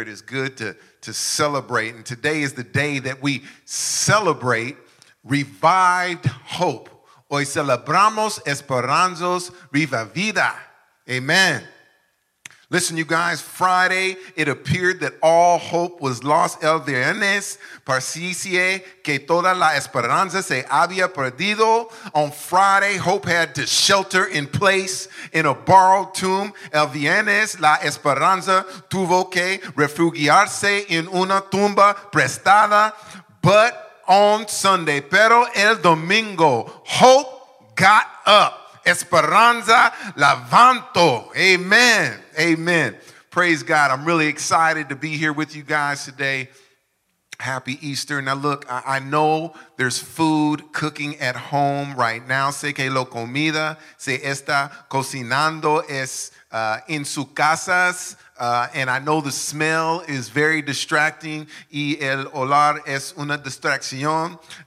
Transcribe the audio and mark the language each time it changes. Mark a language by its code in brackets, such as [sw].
[en] It is good to celebrate, and today is the day that we celebrate revived hope. [es] Hoy celebramos esperanzas revivida. Amen. [en] Listen, you guys, Friday, it appeared that all hope was lost. [es] El viernes, parecía que toda la esperanza se había perdido. [en] On Friday, hope had to shelter in place in a borrowed tomb. [es] El viernes, la esperanza tuvo que refugiarse en una tumba prestada. [en] But on Sunday, [es] pero el domingo, [en] hope got up. [es] Esperanza levanto. Amen. Amen. [en] Praise God. I'm really excited to be here with you guys today. Happy Easter. Now look, I know there's food cooking at home right now. [es] Sé que la comida se está cocinando en sus casas. [en] And I know the smell is very distracting. [es] Y el olor es una distracción.